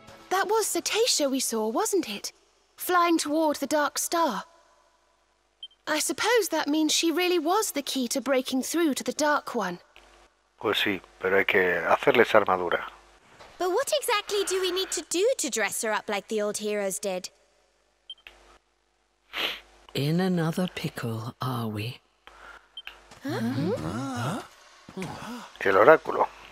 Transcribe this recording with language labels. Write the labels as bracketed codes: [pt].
[en] That was Cetacea we saw, wasn't it? Flying toward the Dark Star. I suppose that means she really was the key to breaking through to the Dark One. [es] Pues sí, pero hay que hacerle esa armadura. [en] But what exactly do we need to do to dress her up like the old heroes did? In another pickle, are we? Huh? [es] El oráculo.